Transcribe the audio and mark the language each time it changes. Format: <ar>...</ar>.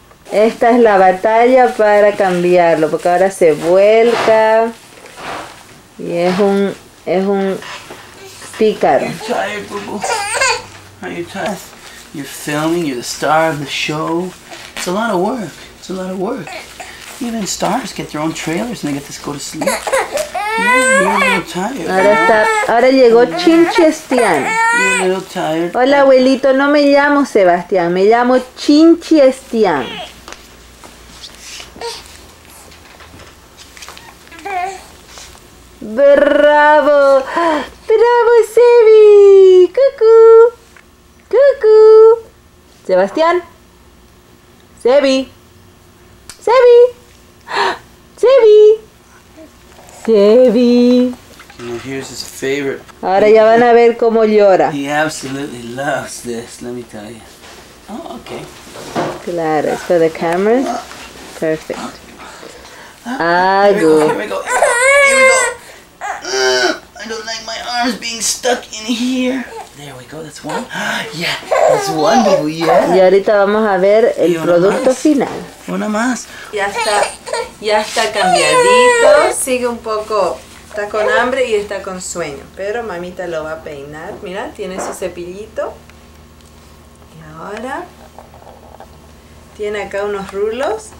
<es>Esta es la batalla para cambiarlo, porque ahora se vuelca. Y es un... Es un pícaro.</es> <en>Are you tired, boo-boo? Are you tired? You're filming, you're the star of the show. It's a lot of work. It's a lot of work. Even stars get their own trailers and they get to go to sleep. You're a little tired.</en> <es>Ahora llegó Chinchestián.</es> <en>You're a little tired.</en> <es>Hola, abuelito, no me llamo Sebastián, me llamo Chinchestián. ¡Bravo! ¡Bravo, Sebi! ¡Cucú! ¡Cucú! ¿Sebastián? ¡Sebi! ¡Sebi! ¡Sebi! ¡Sebi!</es> <en>Here's his favorite.</en> <es>Ahora ya van a ver cómo llora.</es> <en>He absolutely loves this, let me tell you. Oh, okay.</en> <es>Claro,</es> <en>it's for the camera. Perfect. Here we go, here we go, here we go. I don't like my arms being stuck in here. There we go, that's one. Yeah, that's one, baby, yeah.</en> <es>Y ahorita vamos a ver el producto final. Una más. Ya está cambiadito. Sigue un poco, está con hambre y está con sueño. Pero mamita lo va a peinar. Mira, tiene su cepillito. Y ahora tiene acá unos rulos.</es>